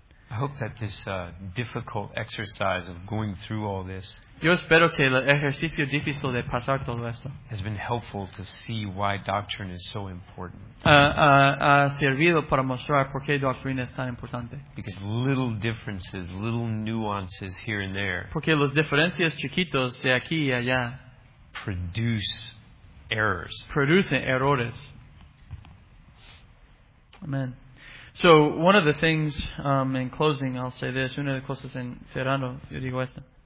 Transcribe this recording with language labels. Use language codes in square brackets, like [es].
[en] I hope that this difficult exercise of going through all this, [es] yo espero que el ejercicio difícil de pasar todo esto, [en] has been helpful to see why doctrine is so important. [es] Ha servido para mostrar por qué doctrina es tan importante. [en] Because little differences, little nuances here and there, [es] porque las diferencias chiquitos de aquí y allá, [en] produce errors. [es] Producen errores. [en] Amen. So one of the things, in closing, I'll say this. [es] Una de las cosas en cerrando, yo digo esto.